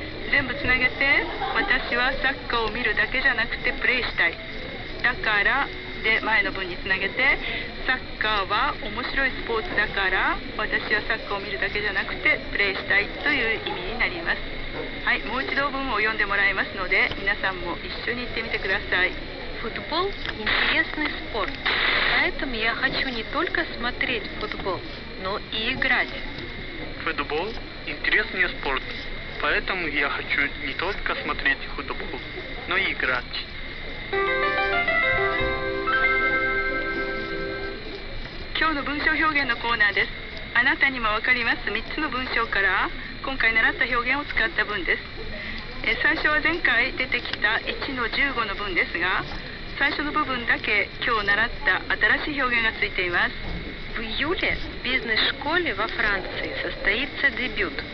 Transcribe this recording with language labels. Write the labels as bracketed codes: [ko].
[ja] 全部つなげて、私はサッカーを見るだけじゃなくてプレイしたい、だからで前の文につなげて、サッカーは面白いスポーツだから私はサッカーを見るだけじゃなくてプレイしたいという意味になります。はい、もう一度文を読んでもらいますので皆さんも一緒に言ってみてください。 [ru] Футбол – интересный спорт, поэтому я хочу не только смотреть футбол, но и играть. Футбол – интересный спорт, поэтому я хочу не только смотреть футбол, но и играть. Сегодня [ja] 文章表現のコーナーです。あなたにもわかります3つの文章から今回習った表現を使った文です。最初は前回出てきた 1-15 の文ですが、最初の部分だけ今日習った新しい表現がついています。 [ru] В июле бизнес школе во Франции состоится дебют。